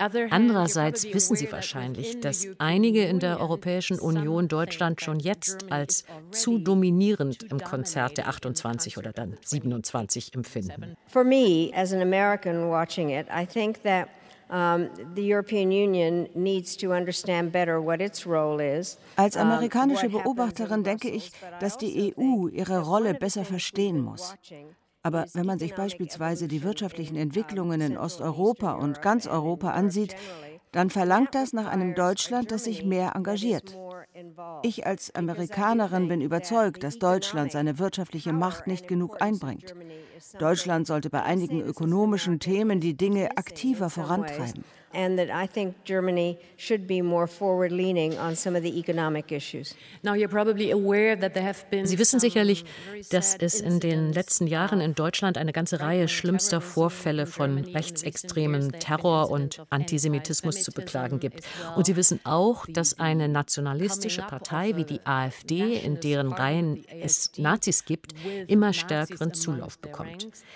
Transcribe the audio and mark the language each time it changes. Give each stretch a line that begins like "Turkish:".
German: Andererseits wissen Sie wahrscheinlich, dass einige in der Europäischen Union Deutschland schon jetzt als zu dominierend im Konzert der 28 oder dann 27 empfinden.
English: For me, as an American watching it, I think that the European Union needs to understand better what its role is.
German: Als amerikanische Beobachterin denke ich, dass die EU ihre Rolle besser verstehen muss. Aber wenn man sich beispielsweise die wirtschaftlichen Entwicklungen in Osteuropa und ganz Europa ansieht, dann verlangt das nach einem Deutschland, das sich mehr engagiert. Ich als Amerikanerin bin überzeugt, dass Deutschland seine wirtschaftliche Macht nicht genug einbringt. Deutschland sollte bei einigen ökonomischen Themen die Dinge aktiver vorantreiben.
English: And that I think Germany should be more forward-leaning on some of the economic issues. Now you're probably aware that there have been.
German: Sie wissen sicherlich, dass es in den letzten Jahren in Deutschland eine ganze Reihe schlimmster Vorfälle von rechtsextremem Terror und Antisemitismus zu beklagen gibt. Und Sie wissen auch, dass eine nationalistische Partei wie die AfD, in deren Reihen es Nazis gibt, immer stärkeren Zulauf bekommt.